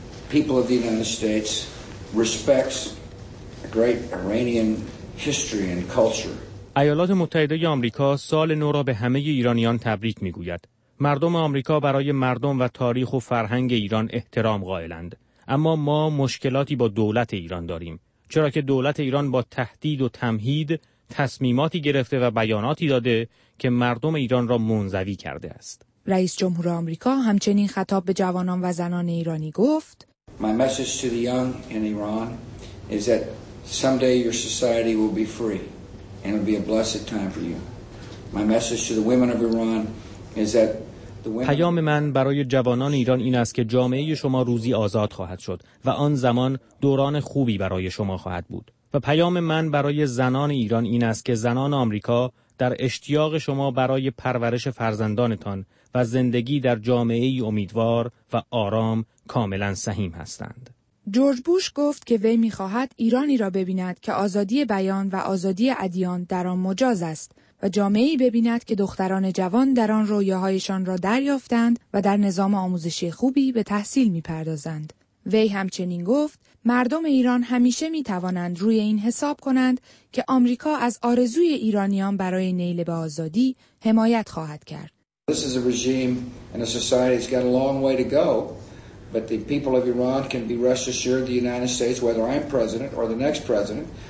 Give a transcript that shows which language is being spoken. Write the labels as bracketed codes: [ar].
[en] People of the United States respects great Iranian history and culture. [fa] ایالات متحده آمریکا سال نو را به همه ایرانیان تبریک می‌گوید. مردم آمریکا برای مردم و تاریخ و فرهنگ ایران احترام قائلند. اما ما مشکلاتی با دولت ایران داریم، چرا که دولت ایران با تهدید و تمهید تصمیماتی گرفته و بیاناتی داده که مردم ایران را منزوی کرده است. رئیس جمهور آمریکا همچنین خطاب به جوانان و زنان ایرانی گفت: [en] My message to the young in Iran is that someday your society will be free and it'll be a blessed time for you. My message to the women of Iran is that the women... [fa] پیام من برای جوانان ایران این است که جامعه شما روزی آزاد خواهد شد و آن زمان دوران خوبی برای شما خواهد بود. و پیام من برای زنان ایران این است که زنان آمریکا در اشتیاق شما برای پرورش فرزندانتان و زندگی در جامعه ای امیدوار و آرام کاملا سهیم هستند. جورج بوش گفت که وی می‌خواهد ایرانی را ببیند که آزادی بیان و آزادی ادیان در آن مجاز است و جامعه‌ای ببیند که دختران جوان در آن رویاهایشان را دریافتند و در نظام آموزشی خوبی به تحصیل می‌پردازند. وی همچنین گفت مردم ایران همیشه می‌توانند روی این حساب کنند که آمریکا از آرزوی ایرانیان برای نیل به آزادی حمایت خواهد کرد. [en] This is a regime and a society that's got a long way to go. But the people of Iran can be rest assured the United States, whether I'm president or the next president,